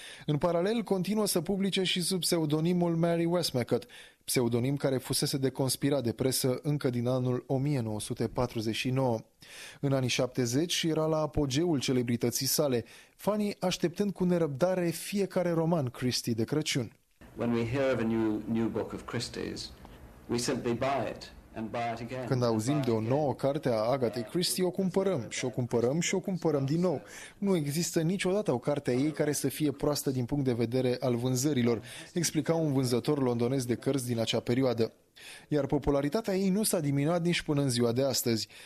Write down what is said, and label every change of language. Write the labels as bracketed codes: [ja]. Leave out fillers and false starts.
[ro] În paralel, continuă să publice și sub pseudonimul Mary Westmacott, pseudonim care fusese deconspirat de presă încă din anul 1949. În anii 70 era la apogeul celebrității sale, fanii așteptând cu nerăbdare fiecare roman Christie de Crăciun. [en] When we hear of a new book of Christie's, we simply buy it. [ro] Când auzim de o nouă carte a Agatha Christie, o cumpărăm și o cumpărăm și o cumpărăm din nou. Nu există niciodată o carte a ei care să fie proastă din punct de vedere al vânzărilor, explica un vânzător londonez de cărți din acea perioadă. Iar popularitatea ei nu s-a diminuat nici până în ziua de astăzi.